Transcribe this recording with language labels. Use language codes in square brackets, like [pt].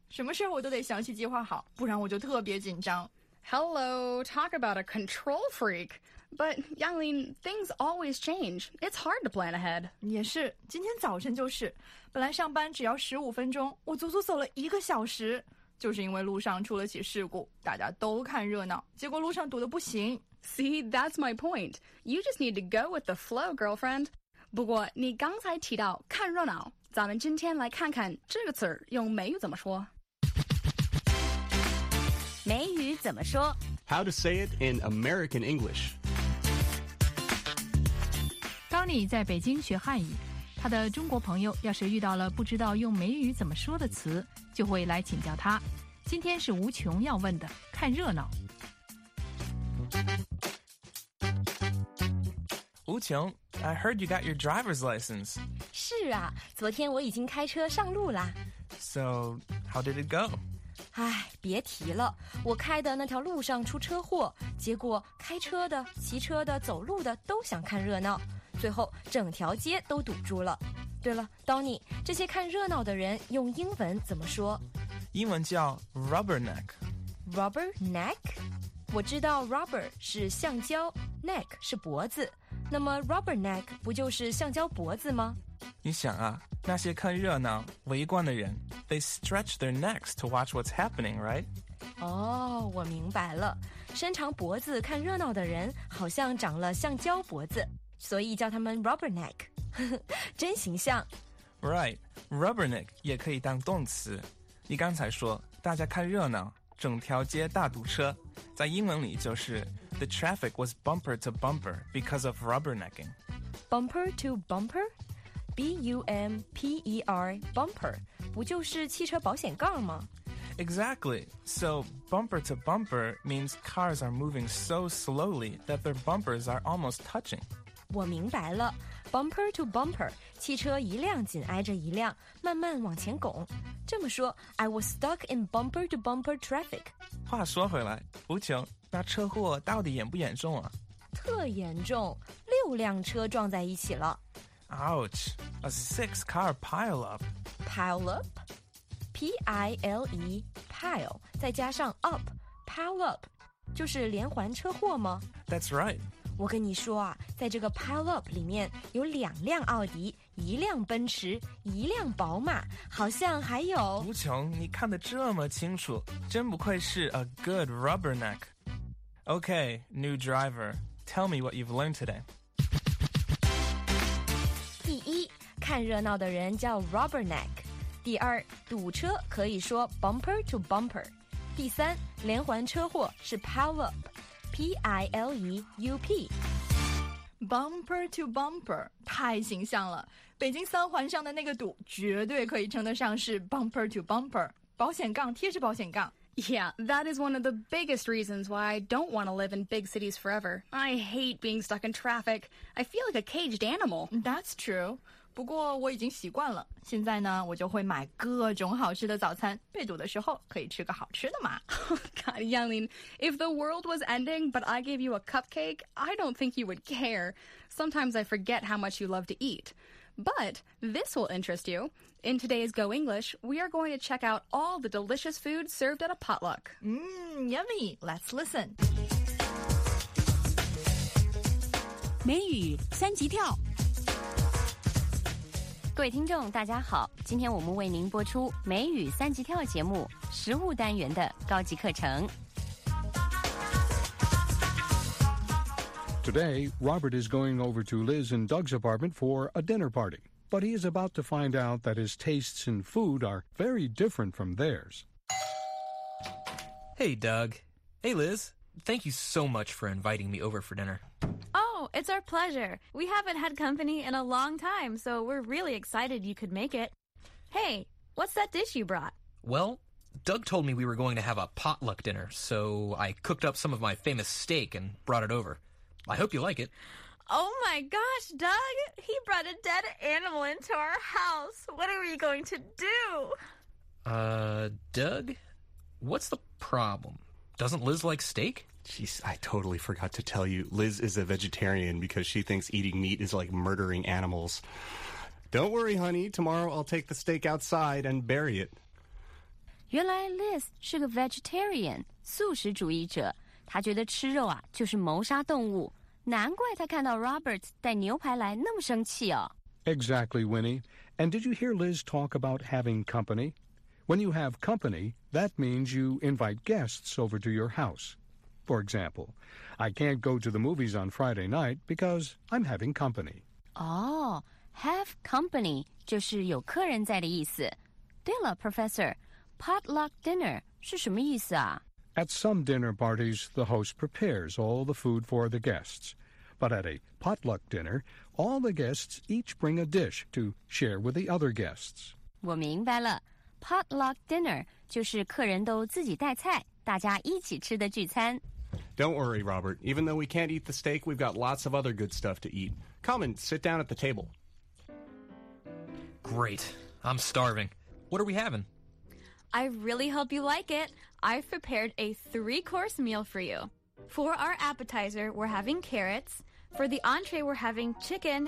[zh] 什么事我都得详细计划好，不然我就特别紧张。 [en] Hello, talk about a control freak. But, Yanglin, things always change. It's hard to plan ahead. [zh] 也是，今天早晨就是，本来上班只要15分钟，我足足走了一个小时，就是因为路上出了起事故，大家都看热闹，结果路上堵得不行。 [en] See, that's my point. You just need to go with the flow, girlfriend. [zh] 不过，你刚才提到看热闹，咱们今天来看看这个词儿用美语怎么说。美语怎么说？ [en] How to say it in American English. [zh] Tony 在北京学汉语，他的中国朋友要是遇到了不知道用美语怎么说的词，就会来请教他。今天是无穷要问的，看热闹。 [en] 无穷， I heard you got your driver's license. [zh] 是啊，昨天我已经开车上路啦。 [en] So, how did it go? [zh] 哎，别提了，我开的那条路上出车祸，结果开车的、骑车的、走路的都想看热闹，最后整条街都堵住了。对了 ，Donny， 这些看热闹的人用英文怎么说？英文叫 rubberneck。 [en] rubberneck？ [zh] 我知道 rubber 是橡胶 ，neck 是脖子，那么 rubberneck 不就是橡胶脖子吗？你想啊，那些看热闹、围观的人。 [en] They stretch their necks to watch what's happening, right? [zh] Oh, 我明白了。伸长脖子看热闹的人好像长了橡胶脖子，所以叫他们 rubberneck. 真形象。 Right, rubberneck 也可以当动词。你刚才说，大家看热闹，整条街大堵车，在英文里就是 [en] The traffic was bumper to bumper because of rubbernecking. Bumper to bumper? [zh] B-U-M-P-E-R, bumper, 不就是汽车保险杠吗？ [en] Exactly. So, bumper to bumper means cars are moving so slowly that their bumpers are almost touching. [zh] 我明白了。 Bumper to bumper, 汽车一辆紧挨着一辆，慢慢往前拱。这么说， [en] I was stuck in bumper to bumper traffic. [zh] 话说回来，无穷，那车祸到底严不严重啊？特严重，六辆车撞在一起了。 [en] Ouch, a six-car pile-up. Pile-up? [zh] P-I-L-E, pile, 再加上 up, pile-up, 就是连环车祸吗？ [en] That's right. [zh] 我跟你说啊，在这个 pile-up 里面有两辆奥迪，一辆奔驰，一辆宝马，好像还有…… 无穷，你看得这么清楚，真不愧是 [en] a good rubberneck. Okay, new driver, Tell me what you've learned today. [zh] 第一，看热闹的人叫 rubberneck。第二，堵车可以说 bumper to bumper。第三，连环车祸是 pile up， P-I-L-E-U-P。 Bumper to bumper， 太形象了。北京三环上的那个堵，绝对可以称得上是 bumper to bumper， 保险杠贴着保险杠。 [en] Yeah, that is one of the biggest reasons why I don't want to live in big cities forever. I hate being stuck in traffic. I feel like a caged animal. That's true. [zh] 不过我已经习惯了。现在呢，我就会买各种好吃的早餐，被堵的时候可以吃个好吃的嘛。 [en] God, Yanglin, if the world was ending, but I gave you a cupcake, I don't think you would care. Sometimes I forget how much you love to eat. But this will interest you. In today's Go English, we are going to check out all the delicious food served at a potluck. Mmm, yummy. Let's listen. [zh] 美语三级跳。各位听众大家好，今天我们为您播出美语三级跳节目食物单元的高级课程。 [en] Today, Robert is going over to Liz and Doug's apartment for a dinner party, but he is about to find out that his tastes in food are very different from theirs. Hey, Doug. Hey, Liz. Thank you so much for inviting me over for dinner. Oh, it's our pleasure. We haven't had company in a long time, so we're really excited you could make it. Hey, what's that dish you brought? Well, Doug told me we were going to have a potluck dinner, so I cooked up some of my famous steak and brought it over. I hope you like it. Oh my gosh, Doug! He brought a dead animal into our house. What are we going to do? Doug? What's the problem? Doesn't Liz like steak? Jeez, I totally forgot to tell you. Liz is a vegetarian because she thinks eating meat is like murdering animals. Don't worry, honey. Tomorrow I'll take the steak outside and bury it. [zh] 原来 Liz 是个 vegetarian, 素食主义者。他觉得吃肉啊就是谋杀动物，难怪他看到 Robert 带牛排来那么生气哦。 [en] Exactly, Winnie. And did you hear Liz talk about having company? When you have company, that means you invite guests over to your house. For example, I can't go to the movies on Friday night because I'm having company. [zh] Oh, have company 就是有客人在的意思。对了 ，Professor, potluck dinner 是什么意思啊？ [en] At some dinner parties, the host prepares all the food for the guests. But at a potluck dinner, all the guests each bring a dish to share with the other guests. [zh] 我明白了。 Potluck dinner 就是客人都自己带菜，大家一起吃的聚餐。 [en] Don't worry, Robert. Even though we can't eat the steak, we've got lots of other good stuff to eat. Come and sit down at the table. Great. I'm starving. What are we having? I really hope you like it. I've prepared a 3-course meal for you. For our appetizer, we're having carrots. For the entree, we're having chicken.